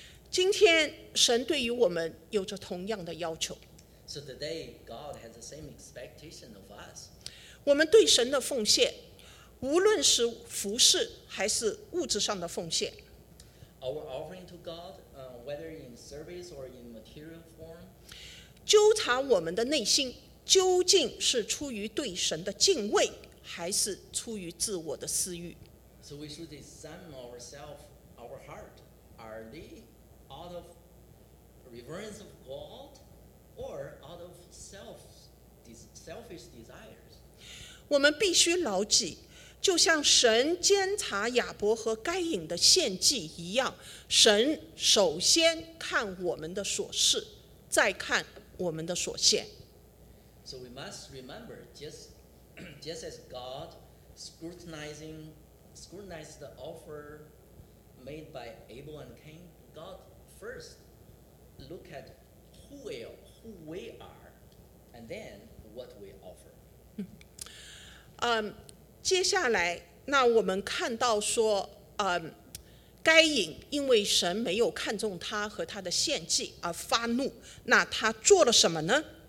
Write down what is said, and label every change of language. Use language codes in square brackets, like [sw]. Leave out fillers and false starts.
[zh] 今天神对于我们有着同样的要求。 [en] So today God has the same expectation of us. [zh] 我们对神的奉献，无论是服事还是物质上的奉献。 [en] Our offering to God, whether in service or in material form. [zh] 纠察我们的内心，究竟是出于对神的敬畏，还是出于自我的私欲。 [en] So we should examine ourselves, our heart. Are they out of reverence of God or out of selfish desires? [zh] 我们必须牢记，就像神监察亚伯和该隐的献祭一样，神首先看我们的所事，再看我们的所献。 [en] So we must remember, just as God scrutinized the offer made by Abel and Cain, God first look at who we are, and then what we offer. [zh] 接下来，那我们看到说，该隐因为神没有看中他和他的献祭而发怒，那他做了什么呢？